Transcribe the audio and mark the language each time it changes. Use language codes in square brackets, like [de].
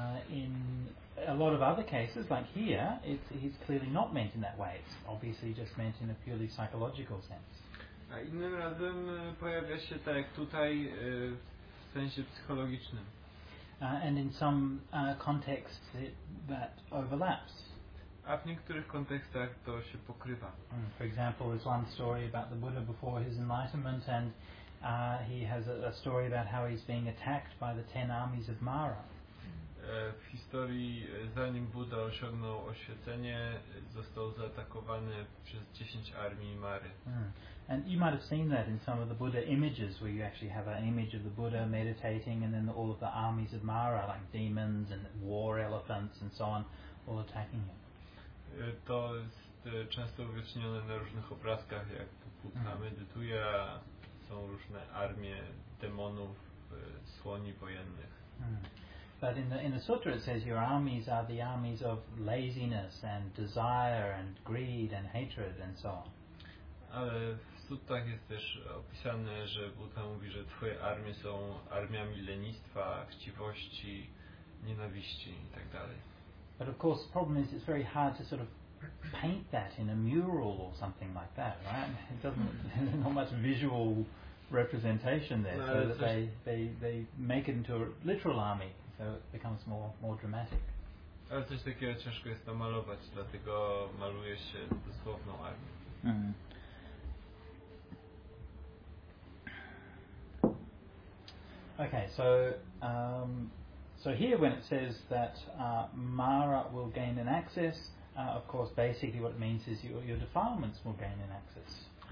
[en] In a lot of other cases, like here, he's clearly not meant in that way. It's obviously just meant in a purely psychological sense. [pl] A innym razem pojawia się tak jak tutaj w sensie psychologicznym. [en] And in some contexts that overlaps. [pl] A w niektórych kontekstach to się pokrywa. [en] For example, there's one story about the Buddha before his enlightenment, and he has a story about how he's being attacked by the 10 armies of Mara. [pl] W historii, zanim Buddha osiągnął oświecenie, został zaatakowany przez 10 armii Mary. [en] And you might have seen that in some of the Buddha images, where you actually have an image of the Buddha meditating, and then all of the armies of Mara, like demons and war elephants and so on, all attacking him. [pl] To jest często uwiecznione na różnych obrazkach, jak Buddha medytuje, są różne armie demonów, słoni wojennych. [en] But in the sutra it says your armies are the armies of laziness and desire and greed and hatred and so on. [pl] Ale w suttach jest też opisane, że Buddha mówi, że twoje armie są armiami lenistwa, chciwości, nienawiści itd. [en] But of course the problem is it's very hard to sort of paint that in a mural or something like that, right? There's not much visual representation there, no, so that they make it into a literal army. So it becomes more dramatic. [pl] Ale coś takiego ciężko jest namalować, dlatego maluje się dosłowną armię. [en] Okay, so here when it says that Mara will gain an access, of course basically what it means is your defilements will gain an access.